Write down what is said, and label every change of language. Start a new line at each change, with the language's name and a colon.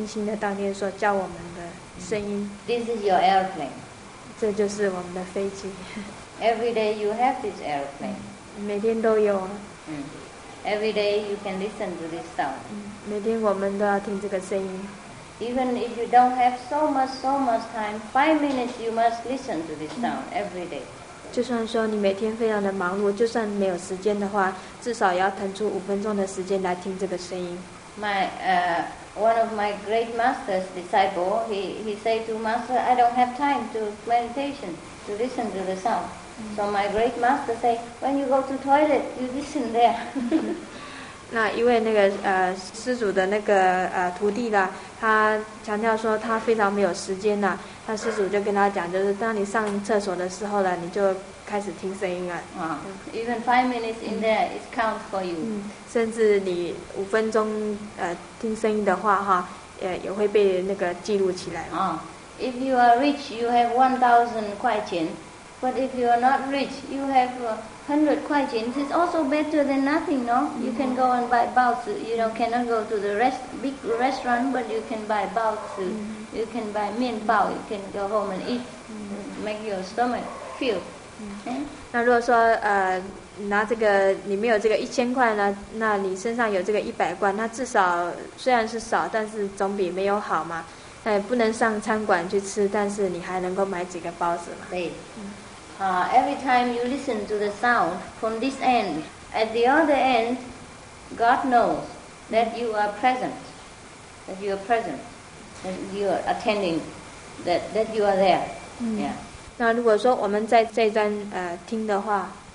Chinese: 唯一能替你解决的问题呢，就是说，声音啊，就是师父给我们音信的当天所教我们的声音。
English: This is your airplane.
Chinese: 这就是我们的飞机。
English: Every day you have this airplane.
Chinese: 每天都有。
English: Every day you can listen to this sound.
Chinese: 每天我们都要听这个声音。
English: Even if you don't have so much time, 5 minutes you must listen to this sound every day.
Chinese: 就算说你每天非常的忙碌，就算没有时间的话，至少也要腾出5分钟的时间来听这个声音。
English: My one of my great master's disciple, he say to master, I don't have time to meditation to listen to the sound. So my great master say, when you go to toilet, you listen there.
Chinese: 那一位那个师祖的那个徒弟啦，他强调说他非常没有时间呐，他师祖就跟他讲，就是当你上厕所的时候呢，你就开始听声音啊。
English: Even 5 minutes in there is count for you.
Chinese: 甚至你5分钟听声音的话哈，也会被那个记录起来。
English: If you are rich, you have 1,000 kuai qian. But if you are not rich, you have 100 kuai qian. It's also better than nothing, no? Mm-hmm. You can go and buy baozi. You know, cannot go to the big restaurant, but you can buy baozi. Mm-hmm. You can buy mianbao. You can go home and eat. Mm-hmm. Make your stomach feel. Mm-hmm. Okay?
Chinese: 那如果说, 拿这个你没有这个1,000块呢，那你身上有这个100贯，那至少虽然是少，但是总比没有好嘛。那也不能上餐馆去吃，但是你还能够买几个包子嘛。
English: Every time you listen to the sound from this end, at the other end, God knows that you are present, that you are present, that you are attending, that you are there. Yeah.
Chinese: 那如果说我们在这一段听的话。